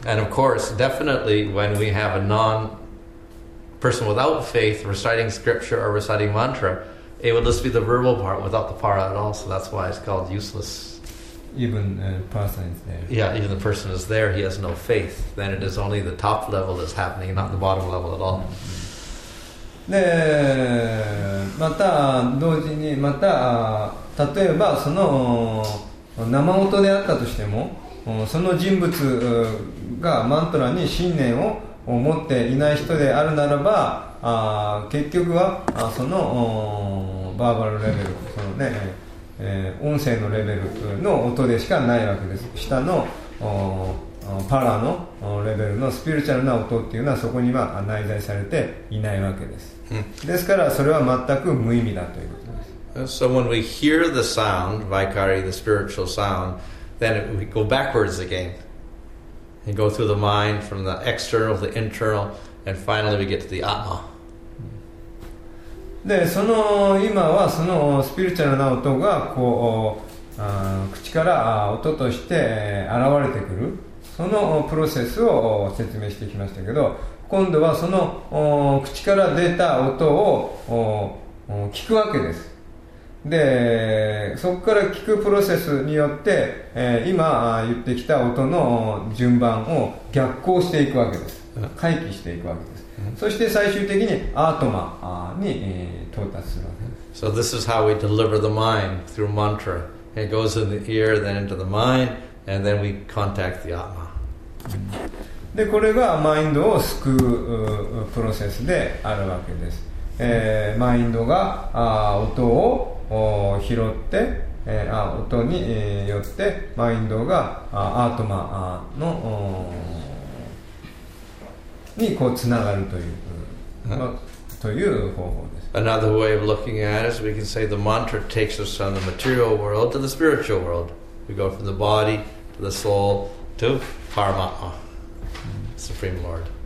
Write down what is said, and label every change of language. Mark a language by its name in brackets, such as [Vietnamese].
[English] And of course, definitely when we have a non-person without faith reciting scripture or reciting mantra, it would just be the verbal part without the para at all, so that's why it's called useless. Even the person is there. Yeah, even the person is there, he has no faith. Then it is only the top level that's happening, not the bottom level at all. [Japanese] で、また同時にまた例えばその生音であったとしても、その人物がマントラに信念を持っていない人であるならば、結局はそのバーバルレベル、そのね、音声のレベルの音でしかないわけです。下のパラのレベルのスピリチュアルな音っていうのはそこには内在されていないわけです。ですからそれは全く無意味だということです。 [English] So when we hear the sound Vaikari, the spiritual soundthen we go backwards again and go through the mind from the external to the internal and finally we get to the Atma. [Japanese] で、その今はそのスピリチュアルな音がこう口から音として現れてくる、そのプロセスを説明してきましたけど、今度はその口から出た音を聞くわけです。で、そこから聞くプロセスによって、今言ってきた音の順番を逆行していくわけです。回帰していくわけです。そして最終的にアートマに到達するわけです。 [English] So this is how we deliver the mind through mantra. It goes in the ear, then into the mind, and then we contact the Atma. [Japanese] でこれがマインドを救うプロセスであるわけです。マインドが音を拾って、音によってマインドがアートマーのにこうつながるという、という方法です。 [English] Another way of looking at it is we can say the mantra takes us from the material world to the spiritual world. We go from the body to the soul to Paramatma, Supreme Lord.